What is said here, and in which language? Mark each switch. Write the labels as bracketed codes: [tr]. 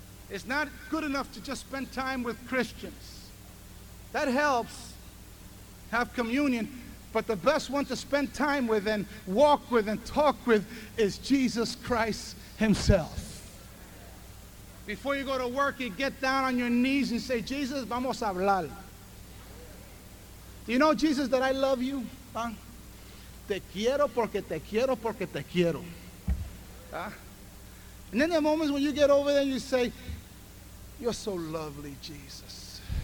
[en] It's not good enough to just spend time with Christians. That helps have communion, but the best one to spend time with and walk with and talk with is Jesus Christ Himself. Before you go to work, you get down on your knees and say, Jesus, [es] vamos a hablar. [en] Do you know, Jesus, that I love you? [es] Te quiero porque te quiero porque te quiero. [en] And then there are moments when you get over there and you say, you're so lovely, Jesus.